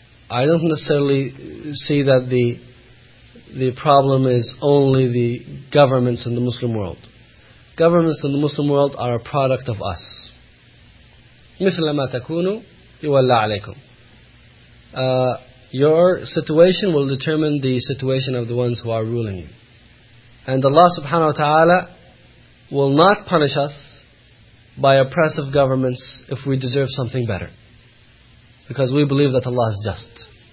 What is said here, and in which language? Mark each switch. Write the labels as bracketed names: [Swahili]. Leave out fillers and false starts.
[English] I don't necessarily see that the problem is only the governments in the Muslim world. Governments in the Muslim world are a product of us. [Arabic] مثل ما تكونوا يولى عليكم. [English] Your situation will determine the situation of the ones who are ruling you. And Allah subhanahu wa ta'ala will not punish us by oppressive governments if we deserve something better, because we believe that Allah is just.